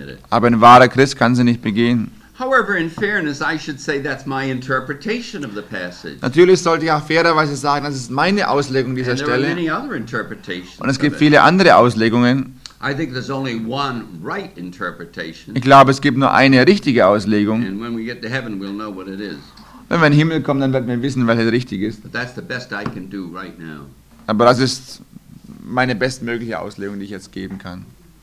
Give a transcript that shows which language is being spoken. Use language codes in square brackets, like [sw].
[de] Aber ein wahrer Christ kann sie nicht begehen. [en] However, in fairness, I should say that's my interpretation of the passage. [de] Natürlich sollte ich auch fairerweise sagen, das ist meine Auslegung dieser Stelle. [en] And there are many other interpretations. [de] Und es gibt viele andere Auslegungen. [en] I think there's only one right interpretation. [de] Ich glaube, es gibt nur eine richtige Auslegung. [en] And when we get to heaven, we'll know what it is. [de] Wenn wir in den Himmel kommen, dann werden wir wissen, welche richtig ist. [en] But that's the best I can do right now. [de] Aber das ist meine bestmögliche Auslegung, die ich jetzt geben kann.